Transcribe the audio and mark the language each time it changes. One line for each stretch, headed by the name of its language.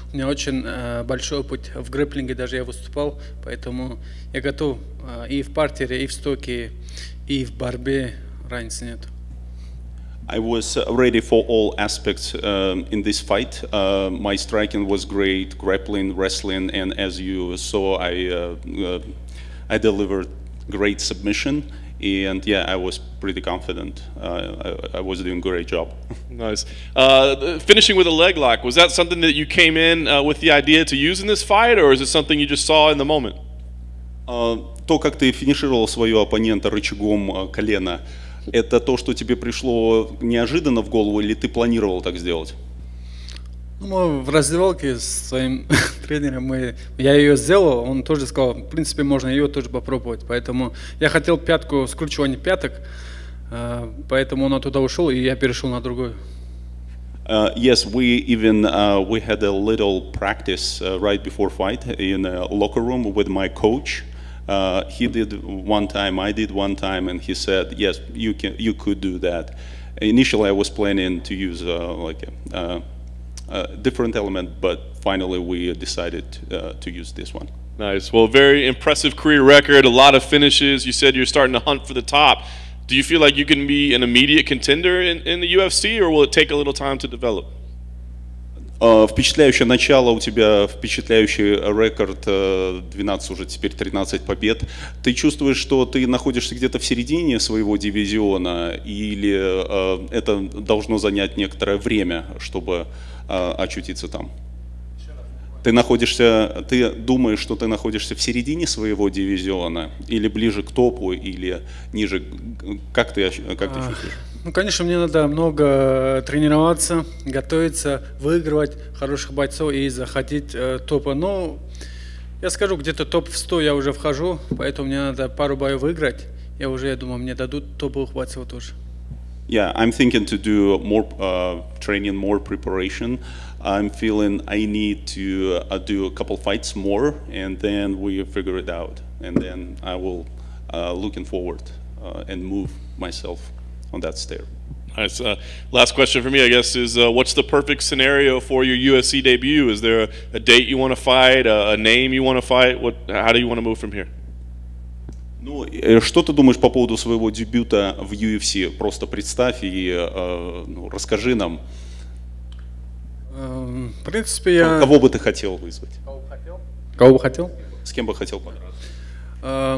Russian: У меня очень большой опыт в грэпплинге, даже я выступал, поэтому я готов и в партере, и в стойке, и в борьбе, разницы нет.
English: I was ready for all aspects in this fight. My striking was great, grappling, wrestling, and as you saw, I delivered great submission. And yeah, I was pretty confident. I was doing a great job. Nice. Finishing with a leg lock, was that something that you came in with the idea to use in this fight, or is it something you just saw in the moment?
Russian: То, как ты финишировал своего оппонента рычагом колена, это то, что тебе пришло неожиданно в голову, или ты планировал так сделать? Ну, в раздевалке с своим тренером я ее сделал, он тоже сказал, в принципе, можно ее тоже попробовать. Поэтому я хотел пятку, скручивание пяток, поэтому он оттуда ушел, и я перешел на другую.
English: Yes, we had a little practice right before fight in a locker room with my coach. He did one time, I did one time, and he said, yes, you could do that. Initially, I was planning to use a different element, but finally, we decided to use this one. Nice. Well, very impressive career record, a lot of finishes. You said you're starting to hunt for the top. Do you feel like you can be an immediate contender in the UFC, or will it take a little time to develop?
Russian: Впечатляющее начало у тебя, впечатляющий рекорд, 12 уже теперь 13 побед. Ты чувствуешь, что ты находишься где-то в середине своего дивизиона, или это должно занять некоторое время, чтобы очутиться там? Ты думаешь, что ты находишься в середине своего дивизиона, или ближе к топу, или ниже? Как ты чувствуешь? Ну, конечно, мне надо много тренироваться, готовиться, выигрывать хороших бойцов и заходить топа. Но я скажу, где-то топ в 100 я уже вхожу, поэтому мне надо пару боев выиграть. Я уже, я думаю, мне дадут топовых бойцов тоже.
English: Yeah, I'm thinking to do more training, more preparation. I'm feeling I need to do a couple fights more, and then we figure it out. And then I will looking forward and move myself. On that stair. Nice. Last question for me, I guess, is what's the perfect scenario for your UFC debut? Is there a date you want to fight, a name you want to fight? How do you want to move from here?
Russian: Ну, что ты думаешь по поводу своего дебюта в UFC? Просто представь и расскажи нам. В принципе, я... Кого бы ты хотел вызвать? Кого бы хотел? С кем бы хотел подраться?